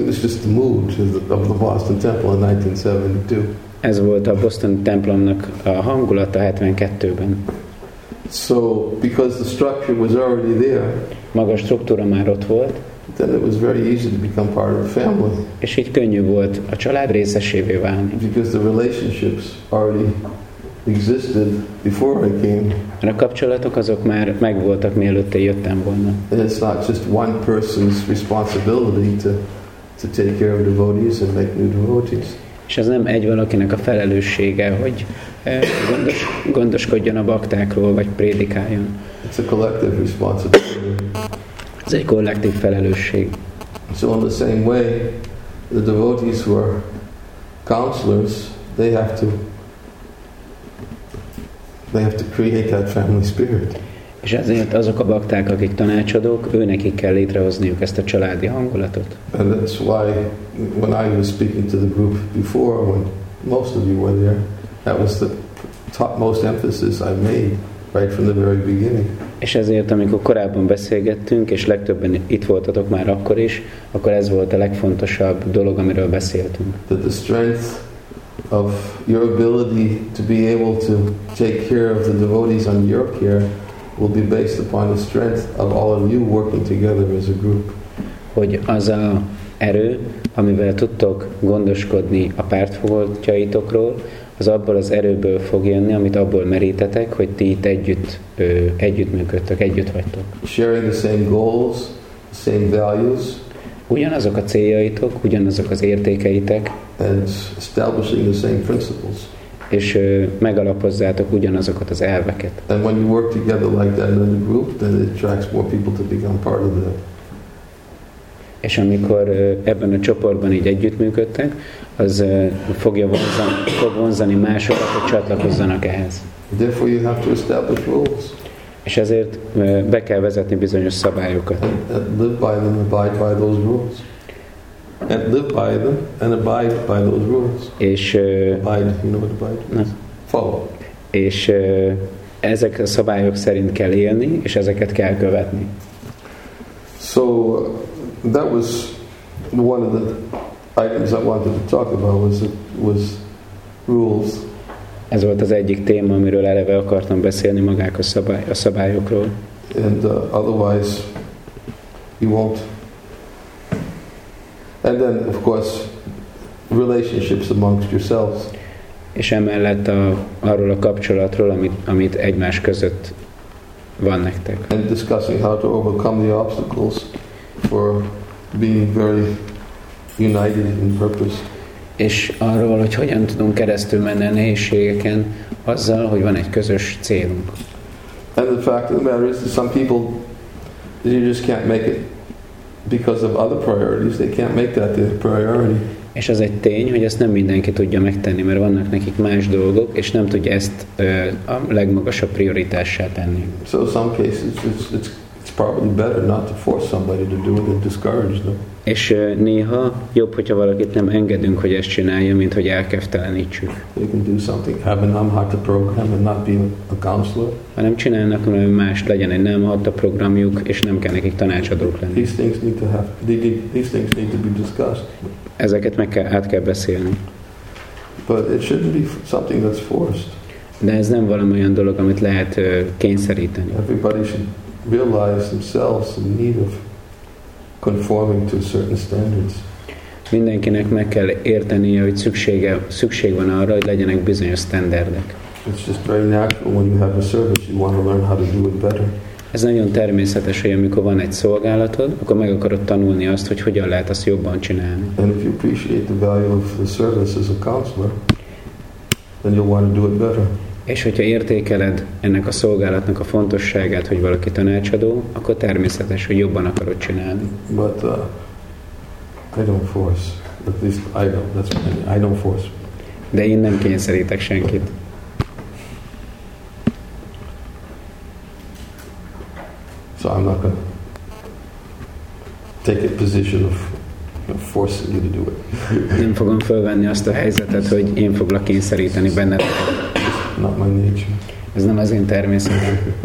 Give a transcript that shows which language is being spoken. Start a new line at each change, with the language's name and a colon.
English: It's just the mood of the Boston Temple in 1972.
Hungarian: Ez volt a Boston templomnak a hangulata 72-ben.
English: So, because the structure was already there.
Hungarian: Maga a struktúra már ott volt.
English: Then it was very easy to become part of the family.
Hungarian: És így könnyű volt a család részesévé válni.
English: Because the relationships already existed before I came.
Hungarian: A kapcsolatok azok már megvoltak, mielőtt én jöttem volna.
English: And it's not just one person's responsibility to take care of devotees and make new devotees.
Hungarian: És ez nem egy valakinek a felelőssége, hogy gondoskodjon a baktákról, vagy prédikáljon.
English: It's a collective responsibility.
Hungarian: Ez egy kollektív felelősség.
English: So in the same way, the devotees who are counselors, they have to create that family spirit.
Hungarian: És ezért azok a bakták, akik tanácsadók, őnekik kell létrehozniuk ezt a családi hangulatot.
English: And that's why when I was speaking to the group before, when most of you were there, that was the topmost emphasis I made right from the very beginning.
Hungarian: És ezért, amikor korábban beszélgettünk, és legtöbben itt voltatok már akkor is, akkor ez volt a legfontosabb dolog, amiről beszéltünk.
English: That the strength of your ability to be able to take care of the devotees on your care will be based upon the strength of all of you working together as a group.
Hungarian: Hogy az a erő, amivel tudtok gondoskodni a pártfogoltjaitokról, az abból az erőből fog jönni, amit abból merítetek, hogy ti itt együttműködtök, együtt vagytok.
English: Sharing the same goals, the same values.
Hungarian: Ugyanazok a céljaitok, ugyanazok az értékeitek.
English: And establishing the same principles.
Hungarian: És megalapozzátok ugyanazokat az elveket.
English: And when you work together like that in a group, then it attracts more people to become part of that.
Hungarian: És amikor ebben a csoportban így együttműködtek, az fog vonzani másokat, hogy csatlakozzanak ehhez.
English: Therefore you have to establish rules.
Hungarian: És ezért be kell vezetni bizonyos szabályokat.
English: And live by them, abide by those rules. And live by them, and abide by those rules.
Hungarian: És
English: abide, you know what abide means? Follow.
Hungarian: És ezek a szabályok szerint kell élni, és ezeket kell követni.
English: So that was one of the items I wanted to talk about was rules.
Hungarian: Ez volt az egyik téma, amiről eleve akartam beszélni, magák a szabályokról.
English: And otherwise you won't. And then of course relationships amongst yourselves.
Hungarian: És emellett arról a kapcsolatról, amit egymás között van nektek.
English: And discussing how to overcome the obstacles for being very united in purpose.
Hungarian: És arról, hogy hogyan tudunk keresztül menni a nehézségeken azzal, hogy van egy közös célunk.
English: And the fact of the matter is that some people, you just can't make it because of other priorities. They can't make that their priority.
Hungarian: És az egy tény, hogy ezt nem mindenki tudja megtenni, mert vannak nekik más dolgok, és nem tudja ezt a legmagasabb prioritássá tenni.
English: So some cases it's probably better not to force somebody to do it and discourage them.
Hungarian: És néha jobb, hogyha valakit nem engedünk, hogy ezt csinálja, mint hogy elkeftelenítsük.
English: They can do something. Have an Amhata program and not be a counselor.
Hungarian: Ha nem csinálnak, hanem mást, legyen egy nem Amhata programjuk, és nem kell nekik tanácsadók lenni.
English: These things need to be discussed.
Hungarian: Ezeket át kell beszélni.
English: But it shouldn't be something that's forced.
Hungarian: De ez nem valami olyan dolog, amit lehet kényszeríteni.
English: Everybody should realize themselves in need of conforming to certain standards.
Hungarian: Mindenkinek meg kell értenie, hogy szükség van arra, hogy legyenek bizonyos standardek.
English: It's just very natural when you have a service, you want to learn how to do it better.
Hungarian: Ez nagyon természetes, hogy amikor van egy szolgálatod, akkor meg akarod tanulni azt, hogy hogyan lehet azt jobban csinálni.
English: And if you appreciate the value of the service as a counselor, then you'll want to do it better.
Hungarian: És hogyha értékeled ennek a szolgálatnak a fontosságát, hogy valaki tanácsadó, akkor természetes, hogy jobban akarod csinálni.
English: But I don't force. At least I don't. That's what I mean. I don't force.
Hungarian: De én nem kényszerítek senkit.
English: So I'm not gonna take a position of forcing you to do it.
Hungarian: Nem fogom fölvenni azt a helyzetet, hogy én foglak kényszeríteni benned.
English: Not my nature.
Hungarian: Ez nem az én természetem.